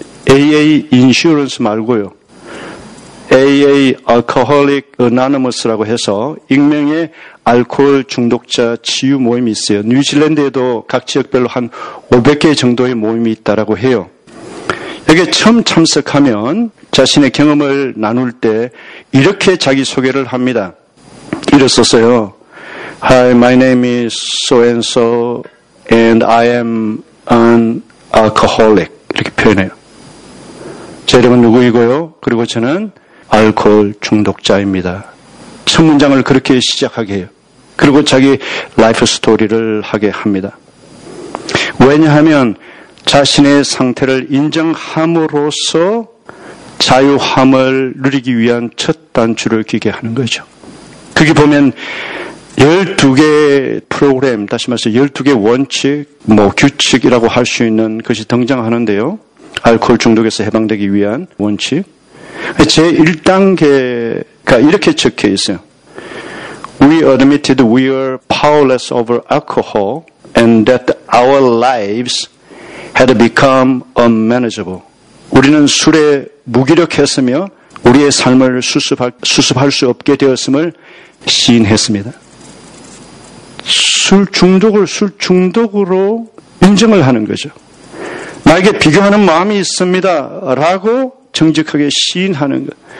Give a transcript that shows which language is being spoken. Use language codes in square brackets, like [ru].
[ko] AA 인슈런스 말고요. AA Alcoholic Anonymous라고 해서 익명의 알코올 중독자 치유 모임이 있어요. 뉴질랜드에도 각 지역별로 한 500개 정도의 모임이 있다고 해요. 여기 처음 참석하면 자신의 경험을 나눌 때 이렇게 자기소개를 합니다. 이랬었어요. [en] Hi, my name is so-and-so and I am an alcoholic. [ko] 이렇게 표현해요. 제 이름은 누구이고요? 그리고 저는 알코올 중독자입니다. 첫 문장을 그렇게 시작하게 해요. 그리고 자기 라이프 스토리를 하게 합니다. 왜냐하면 자신의 상태를 인정함으로써 자유함을 누리기 위한 첫 단추를 끼게 하는 거죠. 그게 보면 12개 프로그램, 다시 말해서 12개 원칙, 뭐 규칙이라고 할 수 있는 것이 등장하는데요. 알코올 중독에서 해방되기 위한 원칙. 제 1단계가 이렇게 적혀 있어요. [en] We admitted we are powerless over alcohol and that our lives had become unmanageable. [ko] 우리는 술에 무기력했으며 우리의 삶을 수습할 수 없게 되었음을 시인했습니다. 술 중독으로 인정을 하는 거죠. 나에게 비교하는 마음이 있습니다. 라고 정직하게 시인하는 것.